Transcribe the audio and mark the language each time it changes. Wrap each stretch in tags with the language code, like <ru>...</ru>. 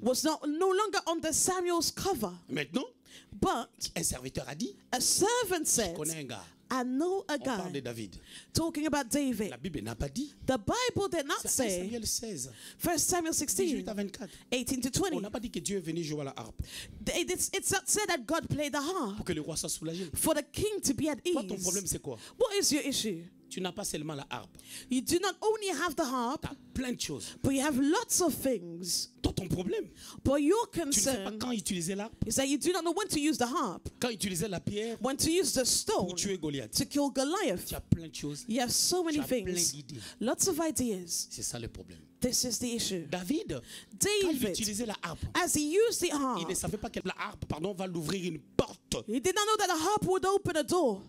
<en>Was not, no longer under Samuel's cover.</en> <fr>Maintenant,</fr> <en>but</en> <fr>un serviteur a dit,</fr> <en>a servant said,</en> <fr>je connais un gars.</fr> <en>I know a</en> <fr>on</fr> <en>guy.</en> <fr>Parle de David.</fr> <en>Talking about David.</en> <fr>La Bible n'a pas dit.</fr> <en>The Bible did not say.</en> <fr>1 Samuel 16.</fr> <en>1 Samuel 16.</en> <fr>18 à 24.</fr> <en>18 to 20.</en> <fr>On n'a pas dit que Dieu est venu jouer à la harpe.</fr> <en>It's not said that God played the harp.</en> <fr>Pour que le roi soit soulagé.</fr> <en>For the king to be at ease.</en> <fr>Toi, ton problème c'est quoi?</fr> <en>What is your issue?</en> <fr>Tu n'as pas seulement la harpe.</fr> <en>You do not only have the harp.</en> <fr>T'as plein de choses.</fr> <en>But you have lots of things.</en> <fr>Toi, ton problème.</fr> <en>But your concern.</en> <fr>Tu ne sais pas quand utiliser la harpe.</fr> <en>Is that you do not know when to use the harp.</en> <fr>Quand utiliser la pierre.</fr> <en>When to use the stone.</en> <fr>Pour tuer Goliath.</fr> <en>To kill Goliath.</en> <fr>Tu as plein de choses.</fr> <en>You have so many things.</en> <fr>Tu as plein d'idées.</fr> <en>Lots of ideas.</en> <fr>C'est ça le problème.</fr> <en>This is the issue.</en> <fr>David.</fr> <en>David.</en> <fr>Quand il utilisait la harpe.</fr> <en>As he used the harp.</en> <fr>Il ne savait pas que la harpe, pardon, va l'ouvrir une porte.</fr> <en>He did not know that a harp would open a door</en>